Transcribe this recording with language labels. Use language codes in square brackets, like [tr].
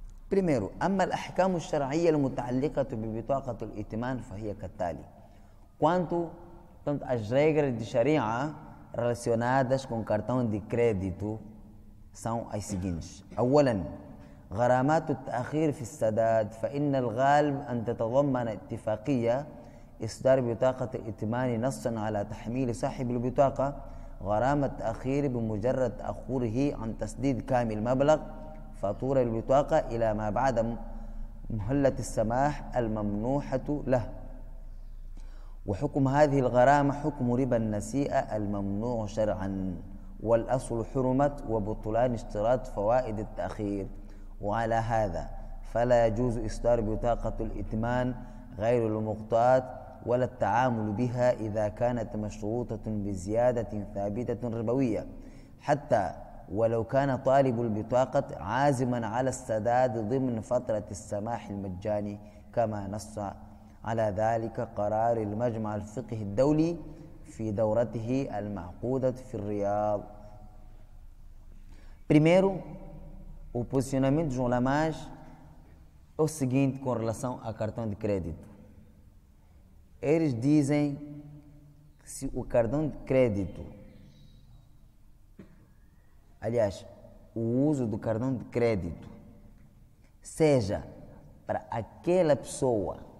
[pt] Primeiro, [ar] أما الأحكام الشرعية المتعلقة ببطاقة الائتمان فهي كالتالي: [pt] quanto às regras de Sharia relacionadas com cartão de crédito são as seguintes. [ar] أولا: غرامات التأخير في السداد فإن الغالب أن تتضمن اتفاقية إصدار بطاقة الائتمان نصا على تحميل صاحب البطاقة غرامة التأخير بمجرد تأخره عن تسديد كامل المبلغ فاتورة البطاقة إلى ما بعد مهلة السماح الممنوحة له. وحكم هذه الغرامة حكم ربا النسيئة الممنوع شرعا والأصل حرمت وبطلان اشتراط فوائد التأخير. وعلى هذا فلا يجوز إصدار بطاقة الائتمان غير المقطوعة ولا التعامل بها إذا كانت مشروطة بزيادة ثابتة ربوية حتى ولو كان طالب البطاقة عازما على السداد ضمن فترة السماح المجاني كما نص على ذلك قرار المجمع الفقهي الدولي في دورته المعقودة في الرياض. [pt] Primeiro, o posicionamento dos ulamás é o seguinte com relação ao cartão de crédito. Eles dizem que se o cartão de crédito, aliás, o uso do cartão de crédito seja para aquela pessoa